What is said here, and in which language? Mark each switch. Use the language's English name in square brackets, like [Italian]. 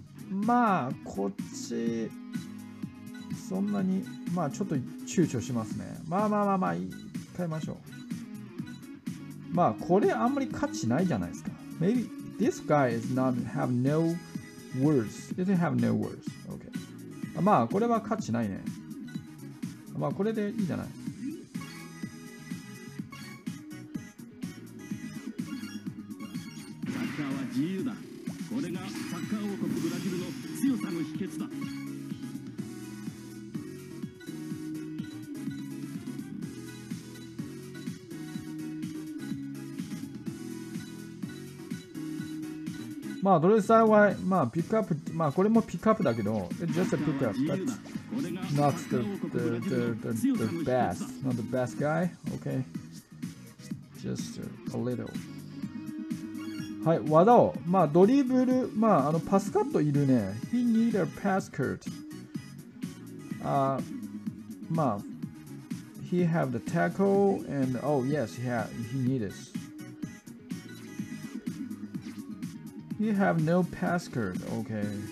[Japanese] まあこっちそんなにまあちょっと躊躇しますね。まあまあまあまあ一回ましょう。まあこれあんまり価値ないじゃないですか。 [English] Maybe this guy is not have no words. Doesn't have no words. Okay. [Japanese] まあこれは価値ないね。まあこれでいいじゃない。サッカーは自由だ。これがサッカー王国ブラジルの強さの秘訣だ。まあどれさえはまあピックアップ、まあこれもピックアップだけど、 [English] It's just a pickup, but not the best, not the best guy, okay? Just a little. [Japanese] はい、技を、まあドリブル、まああのパスカットいるね。 [English] He need a pass cut. まあ he have the tackle and oh yes, he need it. He have no pass card, okay.